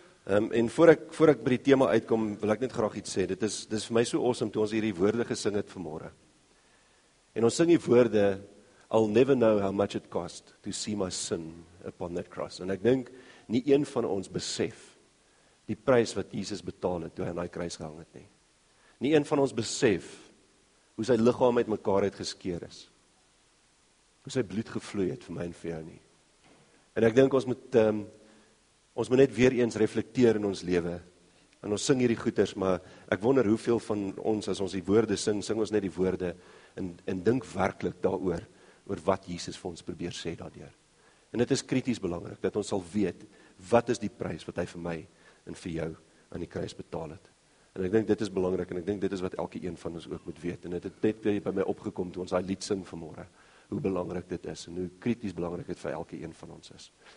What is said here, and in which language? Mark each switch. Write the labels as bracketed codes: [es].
[af] En voor ek by die tema uitkom, wil ek net graag iets sê. Dit is vir my so awesome toe ons hierdie woorde gesing het vanmôre. En ons sing die woorde, [en] I'll never know how much it cost to see my sin upon that cross. [af] En ek dink nie een van ons besef die prys wat Jesus betaal het toe hy aan die kruis gehang het nie. Nie een van ons besef hoe sy liggaam uit mekaar het geskeur is. Hoe sy bloed gevloei het vir my en vir jou nie. En ek dink ons moet net weer eens reflekteer in ons lewe. En ons sing hierdie goeders, maar ek wonder hoeveel van ons, as ons die woorde sing, sing ons net die woorde en dink werklik daaroor, oor wat Jesus vir ons probeer sê daardeur. En dit is krities belangrik, dat ons sal weet, wat is die prys wat hy vir my en vir jou aan die kruis betaal het. En ek dink dit is belangrik, en ek dink dit is wat elke een van ons ook moet weet. En dit het net weer by my opgekom toe ons daai lied sing vanmôre. Hoe belangrik dit is en hoe krities belangrik dit vir elke een van ons is.